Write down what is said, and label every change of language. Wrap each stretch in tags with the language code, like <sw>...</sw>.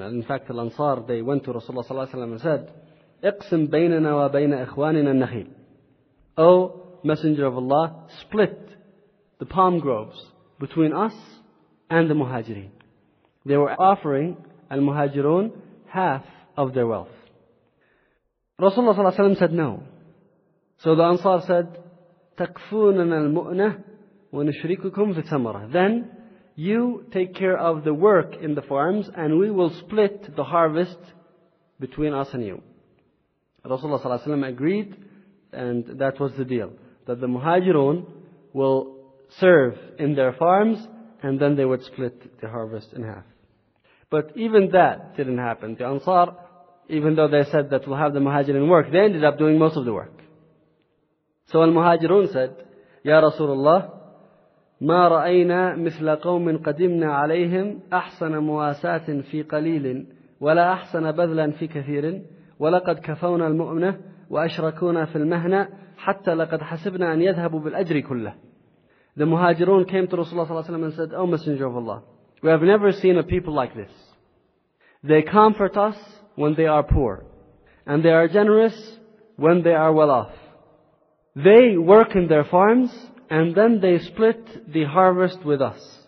<en>And in fact, Al-Ansar, they went to Rasulullah sallallahu alaihi wasallam and said,</en> <ar>اقسم بيننا وبين إخواننا النخيل.</ar> <en>O Messenger of Allah, split the palm groves between us and the Muhajirin. They were offering Al-Muhajirun half of their wealth. Rasulullah sallallahu alaihi wasallam said no. So the Ansar said,</en> <ar>تَكْفُونَنَا الْمُؤْنَةِ وَنُشْرِكُكُمْ فِي ثَمَرَةِ.</ar> <en>Then you take care of the work in the farms and we will split the harvest between us and you. Rasulullah sallallahu alaihi wasallam agreed, and that was the deal, that the Muhajirun will serve in their farms and then they would split the harvest in half. But even that didn't happen. The Ansar, even though they said that we'll have the Muhajirin work, they ended up doing most of the work. So Al-Muhajirun said,</en> <ar>Ya Rasulullah, مَا رَأَيْنَا مِثْلَ قَوْمٍ قَدِمْنَا عَلَيْهِمْ أَحْسَنَ مُوَاسَاتٍ فِي قَلِيلٍ وَلَا أَحْسَنَ بَذْلًا فِي كَثِيرٍ وَلَقَدْ كَفَوْنَا الْمُؤْمِنَةِ وَأَشْرَكُونَا فِي الْمَهْنَةِ حَتَّى لَقَدْ حَسِبْنَا أَنْ يَذْهَبُوا بِالْأَجْرِ كُلَّهِ.</ar> <en>The Muhajirun came to Rasulullah sallallahu alayhi wa sallam and said, O Messenger of Allah, we have never seen a people like this. They comfort us when they are poor, and they are generous when they are well off. They work in their farms and then they split the harvest with us.</en>